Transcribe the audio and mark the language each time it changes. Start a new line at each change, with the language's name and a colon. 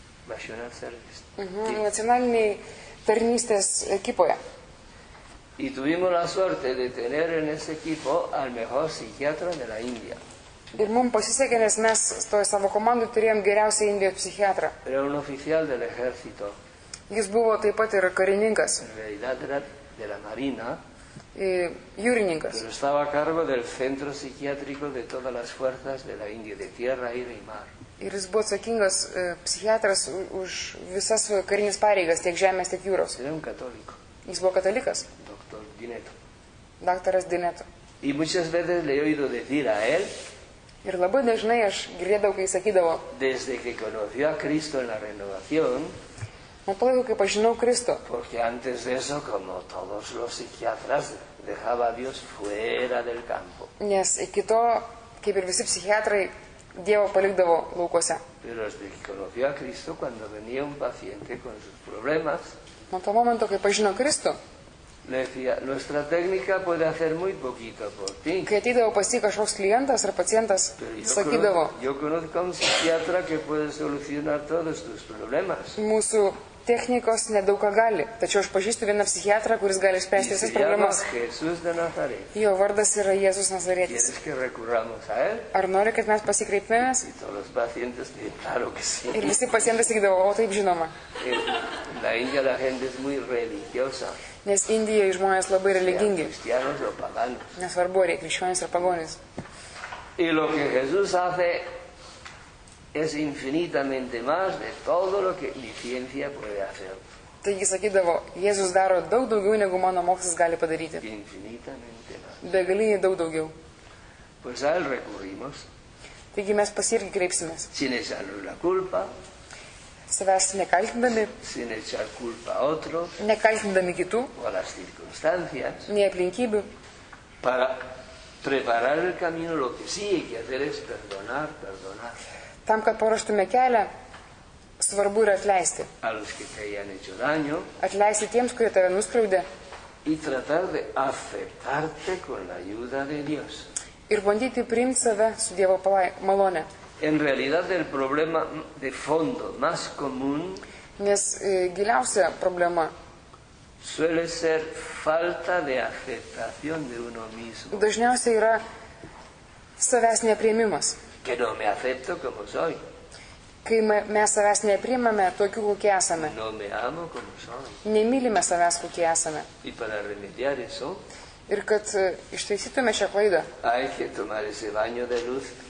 Lithuanian: Nacionaliniai tarnystės ekipoje.
Spanish: Y tuvimos la suerte de tener en ese equipo al mejor psiquiatra de la India.
Lithuanian: Ir mums pasisekė, nes mes toje savo komandoje turėjom geriausią Indijos psichiatrą.
Spanish: Era un oficial del ejército.
Lithuanian: Jis buvo taip pat ir karininkas.
Spanish: En realidad era de la marina.
Lithuanian: Jūrininkas.
Spanish: Pero estaba a cargo del centro psiquiátrico de todas las fuerzas de la India, de tierra, aire y mar.
Lithuanian: Ir jis buvo atsakingas psichiatras už visas karinės pareigas, tiek žemės, tiek jūros.
Spanish: Era un católico.
Lithuanian: Jis buvo katalikas.
Spanish: Doctor Dineto.
Lithuanian: Daktaras Dineto.
Spanish: Y muchas veces le he oído decir a él.
Lithuanian: Ir labai dažnai aš girdėdavau, kai sakydavo.
Spanish: Desde que conoció a Cristo en la renovación.
Lithuanian: Nuo to laiko, kai pažinau Kristo.
Spanish: Porque antes de eso, como todos los psiquiatras, dejaba a Dios fuera del campo.
Lithuanian: Nes iki to, kaip ir visi psichiatrai, Dievo palikdavo laukuose.
Spanish: Pero desde que conoció a Cristo, cuando venía un paciente con sus problemas.
Lithuanian: Nuo to momento, kai pažinau Kristo.
Spanish: Le decía, nuestra técnica puede hacer muy poquito por ti.
Lithuanian: Kai ateidavo pas jį kažkoks klientas ar pacientas, sakydavo.
Spanish: Yo conozco a un psiquiatra que puede solucionar todos tus problemas.
Lithuanian: Mūsų technikos nedaug ką gali, tačiau aš pažįstu vieną psichiatrą, kuris gali išspręsti visas problemas.
Spanish: Jesus de Nazaret.
Lithuanian: Jo vardas yra Jėzus Nazaretis.
Spanish: ¿Quieres que recurramos a él?
Lithuanian: Ar nori, kad mes pasikreipimės?
Spanish: Y todos los pacientes, claro que sí.
Lithuanian: Ir visi pacientai sakydavo, o taip žinoma.
Spanish: La India la gente es muy religiosa.
Lithuanian: Nes Indijoje žmonės labai religingi. Nesvarbu, ar jie krikščionys ar pagonys.
Spanish: Y lo que Jesús hace es infinitamente más de todo lo que mi ciencia puede hacer.
Lithuanian: Taigi sakydavo, Jėzus daro daug daugiau, negu mano mokslas gali padaryti.
Spanish: Infinitamente más.
Lithuanian: Begaliniai daug daugiau.
Spanish: Pues a él recurrimos.
Lithuanian: Taigi mes pas irgi kreipsimės.
Spanish: Sin echarnos la culpa.
Lithuanian: Savęs nekaltindami.
Spanish: Sin echar culpa a otro.
Lithuanian: Nekaltindami kitų.
Spanish: O las circunstancias.
Lithuanian: Nei aplinkybių.
Spanish: Para preparar el camino, lo que sí hay que hacer es perdonar.
Lithuanian: Tam, kad paruoštume kelią, svarbu yra atleisti.
Spanish: A los que te hayan hecho daño.
Lithuanian: Atleisti tiems, kurie tave nuskriaudė.
Spanish: Y tratar de aceptarte con la ayuda de Dios.
Lithuanian: Ir bandyti priimti save su Dievo malone.
Spanish: En realidad, el problema de fondo más común.
Lithuanian: Nes giliausia problema.
Spanish: Suele ser falta de aceptación de uno mismo.
Lithuanian: Dažniausiai yra savęs nepriėmimas.
Spanish: Que no me acepto como soy.
Lithuanian: Kai mes savęs nepriimame tokiu, kokie esame.
Spanish: No me amo como soy.
Lithuanian: Nemylime savęs, kokie esame.
Spanish: Y para remediar eso.
Lithuanian: Ir kad ištaisytume šią klaidą.
Spanish: Hay que tomar ese baño de luz.